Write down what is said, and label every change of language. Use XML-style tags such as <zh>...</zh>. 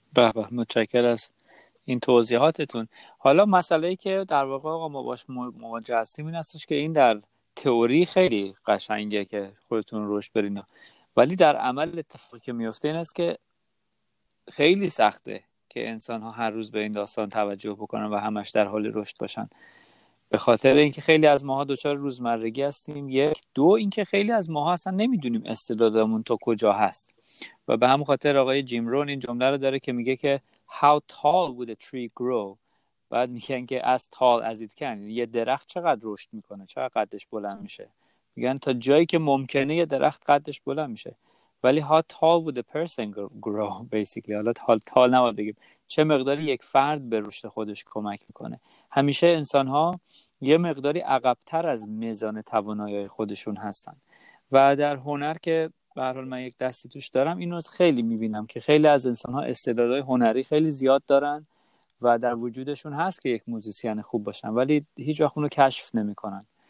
<fa>به به، متشکرم از این توضیحاتتون. حالا مسئله ای که در واقع آقا ما باش مواجه هستیم این استش که این در تئوری خیلی قشنگه که خودتون رشد برین، ولی در عمل اتفاقی که میفته این است که خیلی سخته که انسان ها هر روز به این داستان توجه بکنن و همش در حال رشد باشن، به خاطر اینکه خیلی از ماها دچار روزمرگی هستیم. یک، دو، اینکه خیلی از ماها اصلا نمیدونیم استعدادمون تا کجا هست. و به همون خاطر آقای جیم رون این جمله رو داره که میگه که</fa> <en>How tall would a tree grow?</en> <fa>بعد میگن که</fa> <en>as tall as it can.</en> <fa>یه درخت چقدر رشد میکنه؟ چقدر قدش بلند میشه؟ میگن تا جایی که ممکنه یه درخت قدش بلند میشه. ولی</fa> <en>how tall would a person grow basically?</en> <fa>حالا tall نباید بگیم. چه مقداری یک فرد به رشد خودش کمک میکنه؟ همیشه انسانها یه مقداری عقبتر از میزان توانایی خودشون هستن. و در هنر که به هر حال من یک دستی توش دارم، اینو خیلی میبینم که خیلی از انسان‌ها استعدادهای هنری خیلی زیاد دارن و در وجودشون هست که یک موزیسین خوب باشن، ولی هیچ وقت اونو کشف نمی‌کنن.</fa>